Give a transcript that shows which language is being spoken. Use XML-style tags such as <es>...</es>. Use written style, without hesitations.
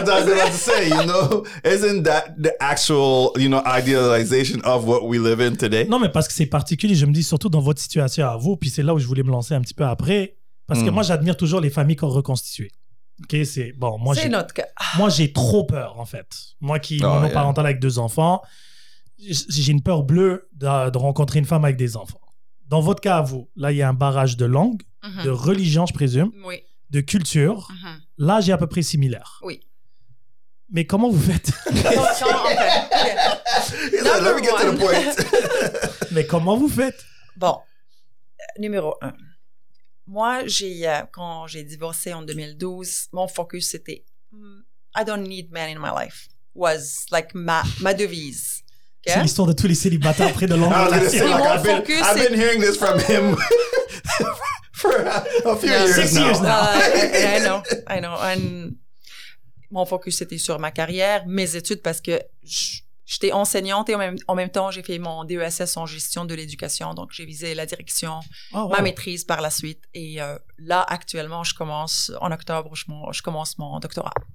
<en>I was about to say, you know, isn't that the actual, you know, idealization of what we live in today?</en> <fr>Non, mais parce que c'est particulier. Je me dis, surtout dans votre situation à vous, puis c'est là où je voulais me lancer un petit peu après, parce que moi, j'admire toujours les familles qui ont reconstitué. OK, c'est... Bon, moi, c'est notre cas. Moi, j'ai trop peur, en fait. Moi qui suis monoparental avec deux enfants... J'ai une peur bleue de rencontrer une femme avec des enfants. Dans votre cas, à vous, là, il y a un barrage de langue, mm-hmm. de religion, je présume, oui. de culture. Mm-hmm. Là, j'ai à peu près similaire. Oui. Mais comment vous faites?</fr> <en>Let me get to the point.</en> <fr>Mais comment vous faites? Bon, numéro un. Moi, quand j'ai divorcé en 2012, mon focus, c'était «</fr> <en>I don't need men in my life</en> <fr>» was like ma devise.</fr> <en>Okay.</en> <fr>C'est l'histoire de tous les célibataires près de l'ombre.</fr> <en>I've been hearing this from him for a few years six now. Years now. I know.</en> <fr>Mon focus, c'était sur ma carrière, mes études, parce que j'étais enseignante et en même temps, j'ai fait mon DESS en gestion de l'éducation. Donc, j'ai visé la direction, ma maîtrise par la suite. Et là, actuellement, je commence en octobre, je commence mon doctorat.</fr>